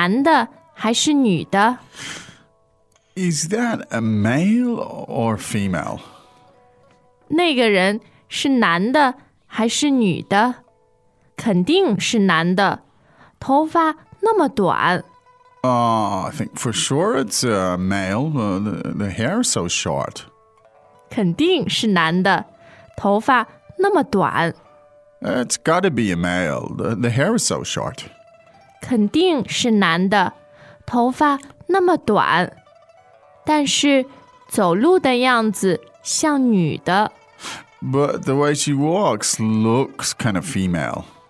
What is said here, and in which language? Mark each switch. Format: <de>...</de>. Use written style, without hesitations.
<zh>那个人是男的还是女的?</zh> <en>Is that a male or female?</en> <zh>那个人是男的还是女的? 肯定是男的,头发那么短。</zh> <en>I think for sure it's a male, the hair is so short.</en> <zh>肯定是男的,头发那么短。</zh> <en>It's got to be a male. The hair is so short.</en> <zh>肯定是男的,头发那么短。但是走路的样子像女的。</zh> <en>But the way she walks looks kind of female.</en>